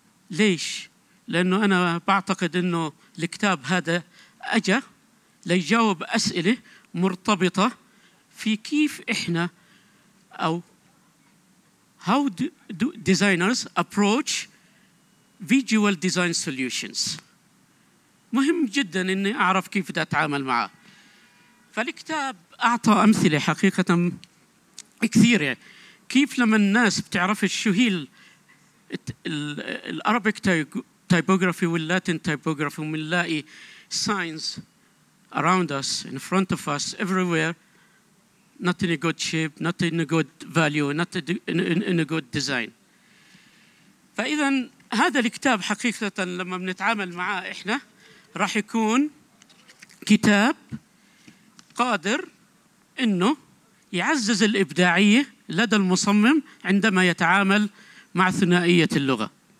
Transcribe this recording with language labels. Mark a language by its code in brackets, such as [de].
[ar] ليش؟ لأنه أنا بعتقد أنه الكتاب هذا أجا ليجاوب أسئلة مرتبطة في كيف إحنا أو [en] how do designers approach visual design solutions. [ar] مهم جدا إني أعرف كيف بدي أتعامل معه. فالكتاب أعطى أمثلة حقيقة كثيرة كيف لما الناس بتعرف شو هي الأرابيك تايبوغرافي واللاتين تايبوغرافي، ومنلاقي [en] signs around us in front of us everywhere not in a good shape, not in a good value, not in a good design. [ar] فإذا هذا الكتاب حقيقة لما بنتعامل معاه إحنا راح يكون كتاب قادر إنه يعزز الإبداعية لدى المصمم عندما يتعامل مع ثنائية اللغة.